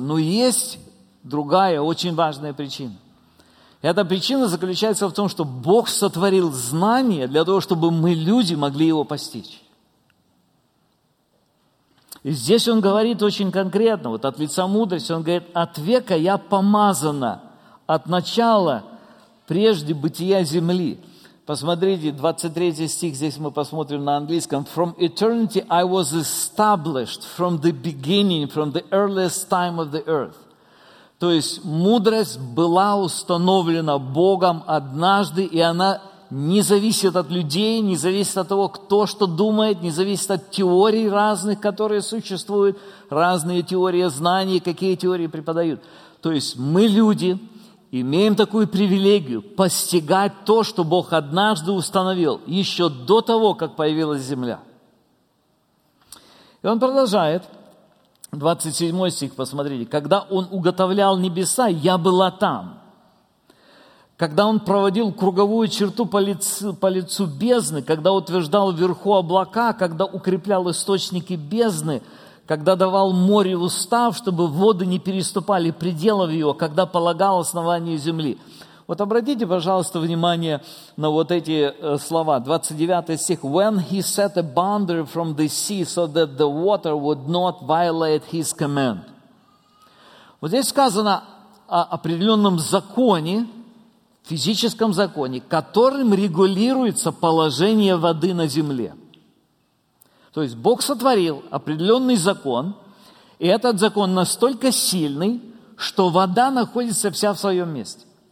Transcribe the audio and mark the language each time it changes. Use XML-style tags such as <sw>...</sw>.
<ru>Но есть другая очень важная причина. Эта причина заключается в том, что Бог сотворил знание для того, чтобы мы, люди, могли его постичь. И здесь он говорит очень конкретно, вот от лица мудрости, он говорит, от века я помазана, от начала, прежде бытия земли. Посмотрите, 23 стих, здесь мы посмотрим на английском.</ru> <en>From eternity I was established, from the beginning, from the earliest time of the earth.</en> <ru>То есть мудрость была установлена Богом однажды, и она не зависит от людей, не зависит от того, кто что думает, не зависит от теорий разных, которые существуют, разные теории знаний, какие теории преподают. То есть мы, люди, имеем такую привилегию постигать то, что Бог однажды установил, еще до того, как появилась земля. И он продолжает, 27 стих, посмотрите. «Когда он уготовлял небеса, я была там». Когда он проводил круговую черту по лицу бездны, когда утверждал вверху облака, когда укреплял источники бездны, когда давал море устав, чтобы воды не переступали пределов его, когда полагал основание земли. Вот обратите, пожалуйста, внимание на вот эти слова. 29 стих.</ru> <en>When he set a boundary from the sea so that the water would not violate his command.</en> <ru>Вот здесь сказано о определенном законе, физическом законе, которым регулируется положение воды на земле. То есть Бог сотворил определенный закон, и этот закон настолько сильный, что вода находится вся в своем месте.</ru>